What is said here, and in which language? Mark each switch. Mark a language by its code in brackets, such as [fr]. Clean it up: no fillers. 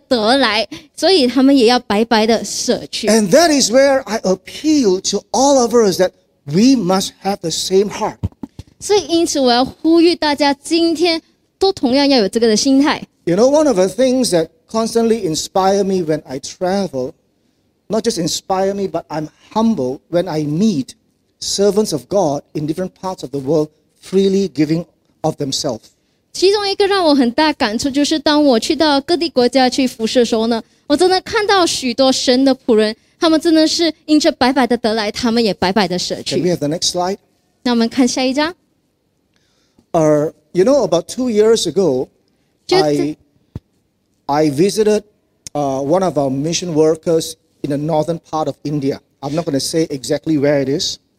[zh] 所以这些人他们活着就是有一个的原则来的，这个原则就是因为他们白白的得来，所以他们也要白白的舍去。 [en] And that is where I appeal to all of us that we must have the same heart. [zh] 所以因此我要呼吁大家今天 [en] You know, one of the things that constantly inspire me when I travel, not just inspire me, but I'm humble when I meet servants of God in different parts of the world freely giving of themselves. [zh] 其中一个让我很大感触就是当我去到各地国家去服侍的时候呢，我真的看到许多神的仆人，他们真的是因着白白的得来，他们也白白的舍去。 [en] Can we have the next slide? [zh] 那我们看下一张。 [en] You know, about 2 years ago, I visited one of our mission workers in the northern part of India. I'm not going to say exactly where it is.